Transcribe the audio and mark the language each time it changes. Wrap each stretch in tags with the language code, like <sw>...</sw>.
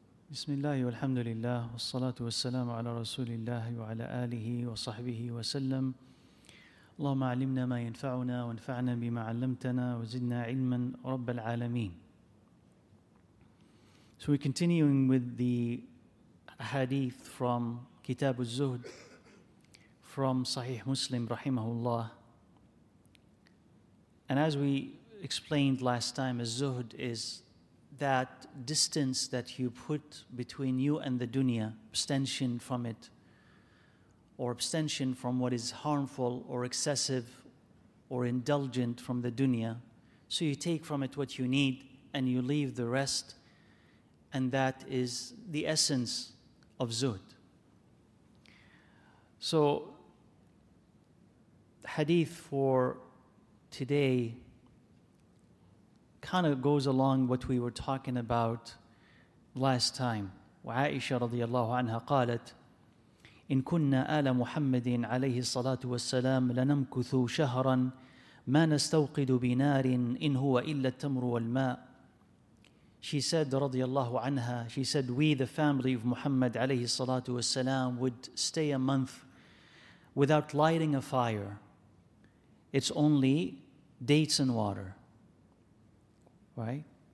<ar>بسم الله والحمد لله والصلاة والسلام على رسول الله وعلى آله وصحبه وسلم اللهم علمنا ما ينفعنا وانفعنا بما علمتنا وزدنا علما رب العالمين.</ar> <en>So we're continuing with the hadith from Kitab al-Zuhd from Sahih Muslim</en> <ar>رحمه الله.</ar> <en>And as we explained last time, al-Zuhd is that distance that you put between you and the dunya, abstention from it, or abstention from what is harmful or excessive or indulgent from the dunya. So you take from it what you need and you leave the rest, and that is the essence of zuhd. So hadith for today kind of goes along what we were talking about last time.</en> <ar>وعائشة رضي الله عنها قالت إن كنا آل محمد عليه الصلاة والسلام لنمكث شهرا ما نستوقد بنار إن هو إلا التمر والماء.</ar> <en>She said</en> <ar>رضي الله عنها,</ar> <en>she said, we the family of Muhammad</en> <ar>عليه الصلاة والسلام</ar> <en>would stay a month without lighting a fire. It's only dates and water. Right?</en>